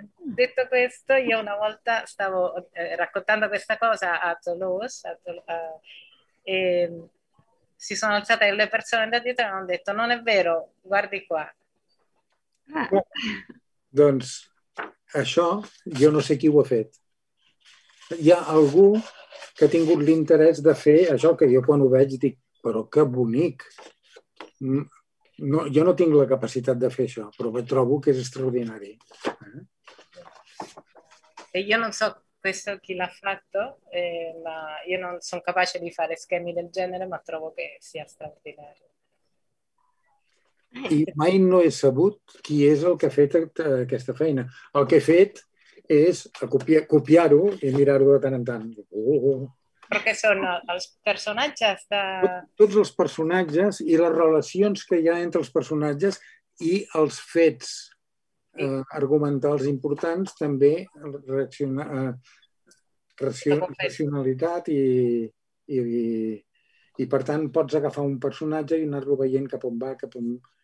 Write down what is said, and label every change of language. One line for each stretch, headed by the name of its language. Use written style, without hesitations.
Italian: Detto questo, io una volta stavo raccontando questa cosa a Toulouse, e si sono alzate le persone da dietro e hanno detto, non è vero, guardi qua.
Catalan: Doncs això jo no sé qui ho ha fet. Hi ha algú que ha tingut l'interès de fer això, que jo quan ho veig dic, però que bonic. No, jo no tinc la capacitat de fer això, però trobo que és extraordinari.
Italian: E io non so questo chi l'ha fatto, ma io non sono capace di fare schemi del genere, ma trovo che sia straordinario.
Catalan: I mai no he sabut qui és el que ha fet aquesta feina. El que he fet és copiar-ho i mirar-ho de tant en tant. Perquè són els personatges de... Tots els personatges i les relacions que hi ha entre els personatges i els fets argumentals importants, també racionalitat i per tant pots agafar un personatge i anar-lo veient cap on va, cap on...